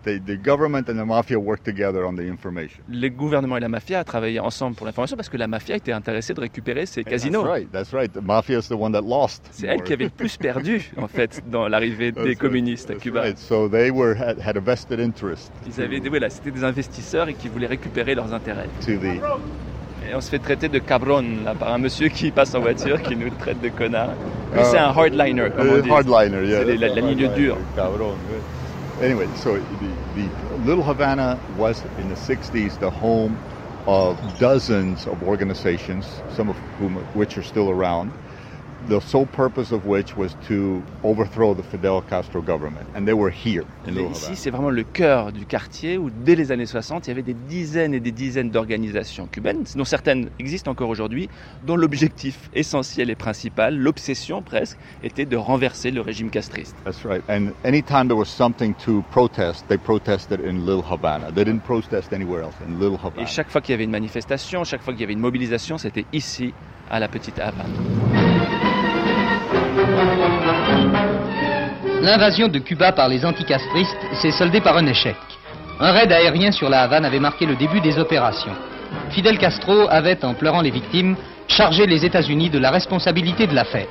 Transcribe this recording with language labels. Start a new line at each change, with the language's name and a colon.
English: The government and the mafia worked together on the information.
French: Les gouvernements et la mafia ont travaillé ensemble pour l'information parce que la mafia était intéressée de récupérer ces casinos.
English: That's right. That's right. The mafia is the one that lost.
French: C'est elle qui avait le plus perdu en fait dans l'arrivée des communistes à Cuba.
English: Right. So they were had a vested interest.
French: Ils avaient voilà, c'était des investisseurs et qui voulaient récupérer leurs intérêts.
English: To the
French: Et on se fait traiter de cabron là, par un monsieur qui passe en voiture, qui nous traite de connard. Mais c'est un hardliner, comme on dit.
English: Hardliner, yeah,
French: c'est la ligne dure.
Spanish: Cabron.
English: Anyway, so the Little Havana was in the 60s the home of dozens of organizations, some of whom which are still around. The sole purpose of which was to overthrow the Fidel Castro government, and they were here in Little Havana.
French: Ici, c'est vraiment le cœur du quartier où, dès les années 60, il y avait des dizaines et des dizaines d'organisations cubaines, dont certaines existent encore aujourd'hui, dont l'objectif essentiel et principal, l'obsession presque, était de renverser le régime castriste.
English: That's right. And any time there was something to protest, they protested in Little Havana. They didn't protest anywhere else in Little Havana.
French: Et chaque fois qu'il y avait une manifestation, chaque fois qu'il y avait une mobilisation, c'était ici, à la petite Havane. L'invasion de Cuba par les anticastristes s'est soldée par un échec. Un raid aérien sur la Havane avait marqué le début des opérations. Fidel Castro avait, en pleurant les victimes, chargé les États-Unis de la responsabilité de l'affaire.